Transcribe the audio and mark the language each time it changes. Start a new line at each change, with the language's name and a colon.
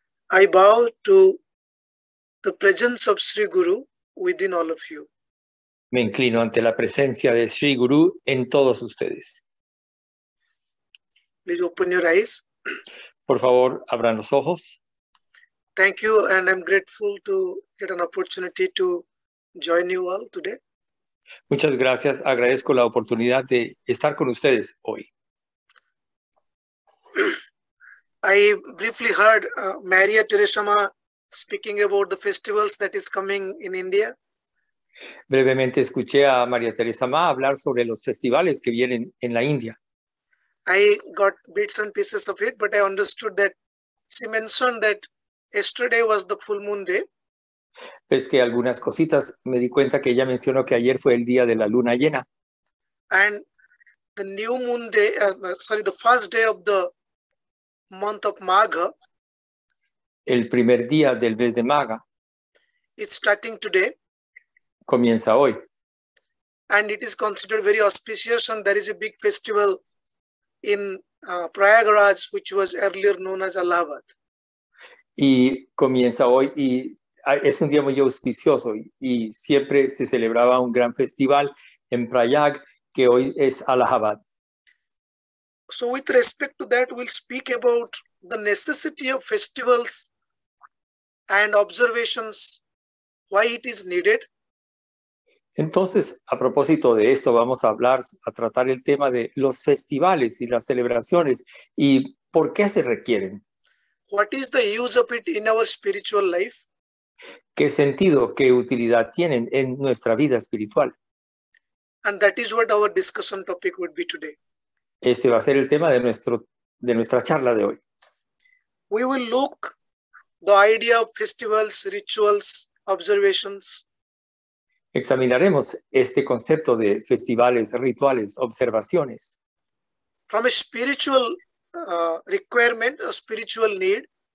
English: I bow to the presence of Sri Guru within all of you.
Spanish: Me inclino ante la presencia de Sri Guru en todos ustedes.
English: Please open your eyes.
Spanish: Por favor, abran los ojos.
English: Thank you, and I'm grateful to get an opportunity to join you all today.
Spanish: Muchas gracias. Agradezco la oportunidad de estar con ustedes hoy.
English: I briefly heard Maria Teresama speaking about the festivals that is coming in India.
Spanish: Brevemente escuché a María Teresa Ma hablar sobre los festivales que vienen en la India.
English: I got bits and pieces of it, but I understood that she mentioned that yesterday was the full moon day.
Spanish: Pues que algunas cositas me di cuenta que ella mencionó que ayer fue el día de la luna llena.
English: And the new moon day, the first day of the month of Magha.
Spanish: El primer día del mes de Magha.
English: It's starting today.
Spanish: Comienza hoy.
English: And it is considered very auspicious, and there is a big festival in Prayagraj, which was earlier known as Allahabad.
Spanish: Y comienza hoy y es un día muy auspicioso y siempre se celebraba un gran festival en Prayag que hoy es Allahabad.
English: So with respect to that, we'll speak about the necessity of festivals and observations, why it is needed.
Spanish: Entonces, a propósito de esto, vamos a hablar, a tratar el tema de los festivales y las celebraciones y por qué se requieren.
English: What is the use of it in our spiritual life?
Spanish: ¿Qué sentido, qué utilidad tienen en nuestra vida espiritual?
English: And that is what our discussion topic would be today.
Spanish: Este va a ser el tema de nuestra charla de hoy.
English: We will look the idea of festivals, rituals, observations.
Spanish: Examinaremos este concepto de festivales, rituales, observaciones.
English: From a spiritual requirement, a spiritual need.